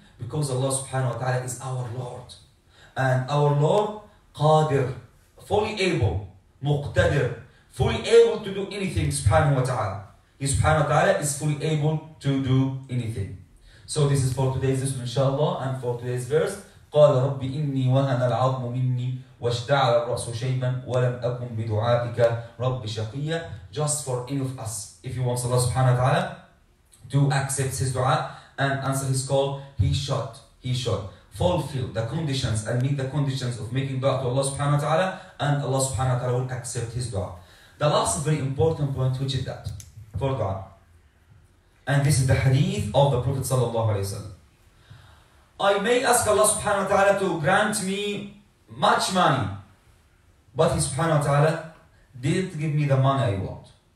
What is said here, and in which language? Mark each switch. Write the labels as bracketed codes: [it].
[en] Because Allah subhanahu wa ta'ala is our Lord. And our Lord, Qadir, fully able, Muqtadir, fully able to do anything, subhanahu wa ta'ala. He subhanahu wa ta'ala is fully able to do anything. So this is for today's lesson, inshallah, and for today's verse. [ar] قال رب إني وهن العظم مني واشتعل الرأس شيبا ولم أكن بدعائك رب شقيا. [en] Just for any of us, if he wants Allah subhanahu wa ta'ala to accept his dua and answer his call, he should fulfill the conditions and meet the conditions of making dua to Allah subhanahu wa ta'ala, and Allah subhanahu wa ta'ala will accept his dua. The last very important point, which is that for dua, and this is the hadith of the Prophet sallallahu alayhi wa sallam, I may ask Allah subhanahu wa ta'ala to grant me much money, but he subhanahu wa ta'ala didn't give me the money I want.